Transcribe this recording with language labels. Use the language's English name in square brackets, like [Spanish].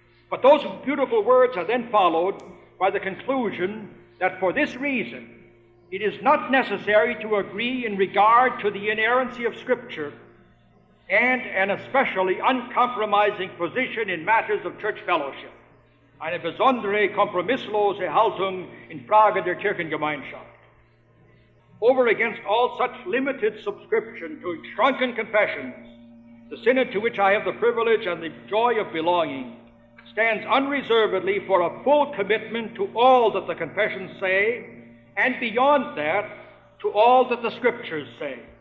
[English] But those beautiful words are then followed by the conclusion that for this reason, it is not necessary to agree in regard to the inerrancy of Scripture and an especially uncompromising position in matters of church fellowship. [German] Eine besondere kompromisslose Haltung in Frage der Kirchengemeinschaft. [English] Over against all such limited subscription to shrunken confessions, the synod to which I have the privilege and the joy of belonging stands unreservedly for a full commitment to all that the confessions say, and beyond that, to all that the scriptures say.